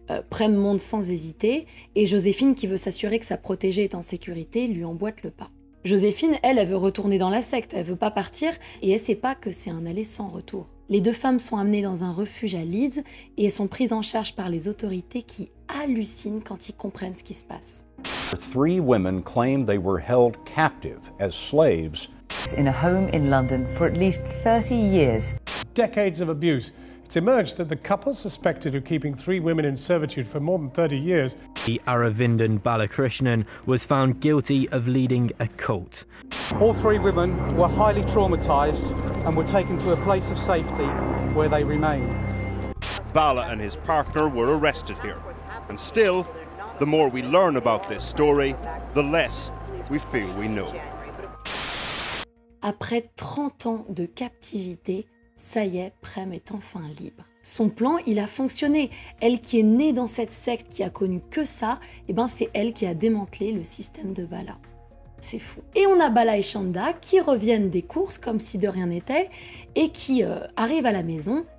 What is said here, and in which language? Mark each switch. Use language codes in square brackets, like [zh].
[fr] Prem monte sans hésiter et Joséphine, qui veut s'assurer que sa protégée est en sécurité, lui emboîte le pas. Joséphine, elle veut retourner dans la secte, elle veut pas partir et elle sait pas que c'est un aller sans retour. Les deux femmes sont amenées dans un refuge à Leeds et elles sont prises en charge par les autorités qui hallucinent quand ils comprennent ce qui se passe. [en] Three women claim they were held captive as slaves in a home in London for at least 30 years. Decades of abuse. It's emerged that the couple suspected of keeping three women in servitude for more than 30 years. Aravindan Balakrishnan was found guilty of leading a cult. All three women were highly traumatized and were taken to a place of safety where they remain. Bala and his partner were arrested here. And still, the more we learn about this story, the less we feel we know. [fr] Après 30 ans de captivité, ça y est, Prem est enfin libre. Son plan, il a fonctionné. Elle qui est née dans cette secte, qui a connu que ça, eh ben c'est elle qui a démantelé le système de Bala. C'est fou. Et on a Bala et Shanda qui reviennent des courses comme si de rien n'était et qui arrivent à la maison